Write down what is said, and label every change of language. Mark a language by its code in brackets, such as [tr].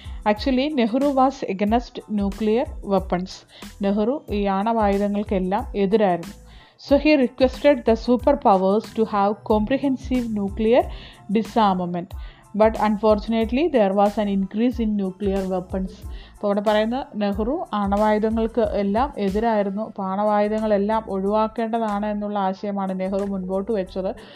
[en] Actually Nehru was against nuclear weapons. [ml] Nehru ഈ ആണവായുധങ്ങൾക്കെല്ലാം എതിരായിരുന്നു. [en] So he requested the superpowers to have comprehensive nuclear disarmament. But unfortunately, there was an increase in nuclear weapons. [ml] അപ്പോൾ അവിടെ പറയുന്ന നെഹ്റു ആണവായുധങ്ങൾക്ക് എല്ലാം എതിരായിരുന്നു. അപ്പോൾ ആണവായുധങ്ങളെല്ലാം ഒഴിവാക്കേണ്ടതാണ് എന്നുള്ള ആശയമാണ് നെഹ്റു മുൻപോട്ട് വെച്ചത്.